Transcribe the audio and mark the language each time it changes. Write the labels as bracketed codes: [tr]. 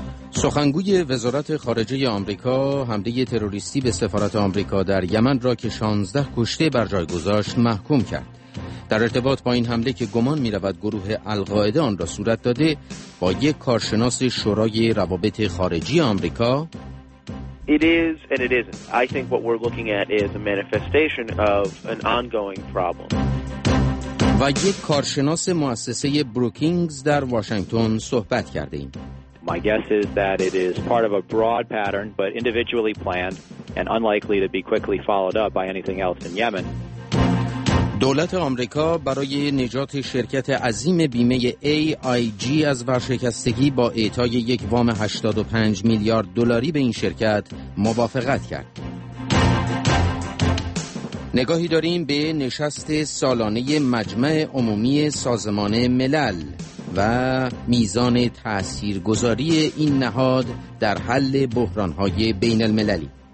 [fa] سخنگوی وزارت خارجه آمریکا حمله تروریستی به سفارت آمریکا در یمن را که 16 کشته بر جای گذاشت محکوم کرد. در ارتباط با این حمله که گمان می رود گروه القاعده آن را صورت داده، با یک کارشناس شورای روابط خارجی آمریکا، [en] It is and it isn't. I think what we're looking at is a manifestation of an ongoing problem. [fa] و یک کارشناس مؤسسه بروکینگز در واشنگتن صحبت کردیم. [en] My guess is that it is part of a broad pattern but individually planned and unlikely to be quickly followed up by anything else in Yemen. [fa] دولت آمریکا برای نجات شرکت عظیم بیمه AIG از ورشکستگی با اعطای یک وام 85 میلیارد دلاری به این شرکت موافقت کرد. نگاهی داریم به نشست سالانه مجمع عمومی سازمان ملل و میزان تأثیرگذاری این نهاد در حل بحران‌های بین المللی.